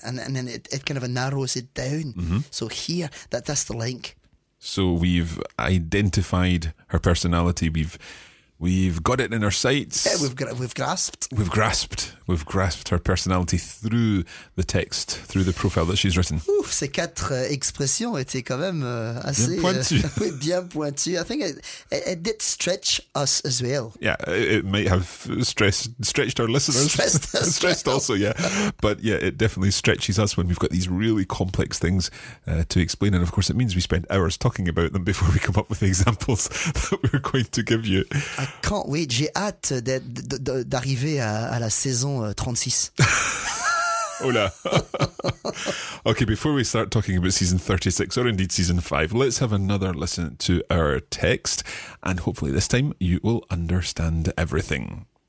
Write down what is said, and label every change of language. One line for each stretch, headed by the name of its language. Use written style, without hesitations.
English: And then it kind of narrows it down. Mm-hmm. So here, that's the link. So we've identified her personality. We've got it in our sights. Yeah, we've grasped. We've grasped. We've grasped her personality through the text, through the profile that she's written.
French: Ouh, ces quatre expressions étaient quand même assez... bien pointues. Oui, bien pointues.
English: I think it did stretch us as well. Yeah, it might have stretched our listeners. Stressed us. Stressed also, yeah. But yeah, it definitely stretches us when we've got these really complex things to explain. And of course, it means we spend hours talking about them before we come up with the examples that we're going to give you. I can't wait.
French: J'ai hâte d'arriver à la saison 36.
Spanish: Hola.
English: Okay, before we start talking about season 36 or indeed season 5, let's have another listen to our text. And hopefully this time you will understand everything.